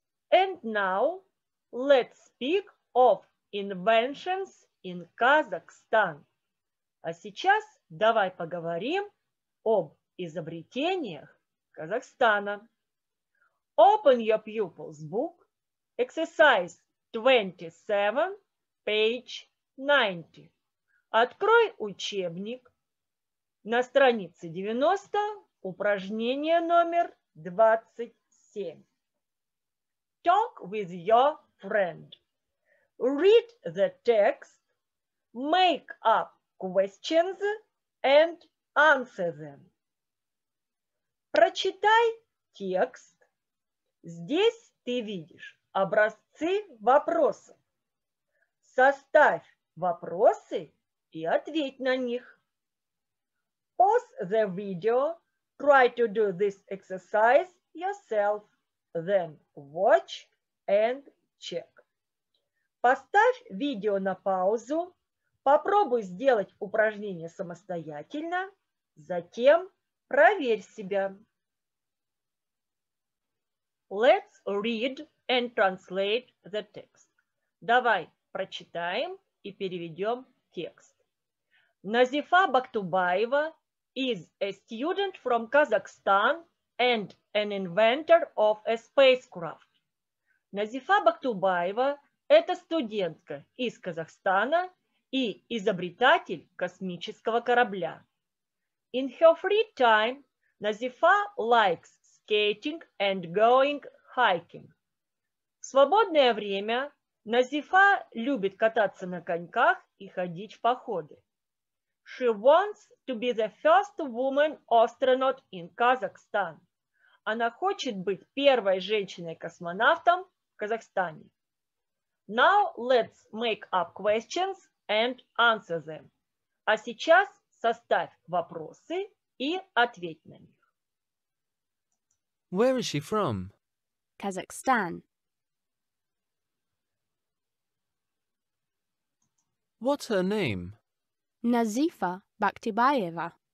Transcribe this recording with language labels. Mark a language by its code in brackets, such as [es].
[en] And now let's speak of inventions in Kazakhstan. [ru] А сейчас давай поговорим об изобретениях Казахстана. [en] Open your pupil's book, exercise 27, page 90. [ru] Открой учебник на странице 90, упражнение номер 27. [en] Talk with your friend. Read the text, make up questions and answer them. [ru] Прочитай текст. Здесь ты видишь образцы вопросов. Составь вопросы и ответь на них. [en] Pause the video. Try to do this exercise yourself. Then watch and check. [ru] Поставь видео на паузу. Попробуй сделать упражнение самостоятельно. Затем проверь себя. [en] Let's read and translate the text. [ru] Давай прочитаем и переведем текст. [en] Назифа Бактубаева is a student from Kazakhstan and an inventor of a spacecraft. [ru] Назифа Бактубаева – это студентка из Казахстана и изобретатель космического корабля. [en] In her free time, Назифа likes skating and going hiking. [ru] В свободное время Назифа любит кататься на коньках и ходить в походы. [en] She wants to be the first woman astronaut in Kazakhstan. [ru] Она хочет быть первой женщиной-космонавтом в Казахстане. [en] Now let's make up questions and answer them. [ru] А сейчас составь вопросы и ответь на них. [en] Where is she from? Kazakhstan. What's her name? Nazifa Bakhtibayeva.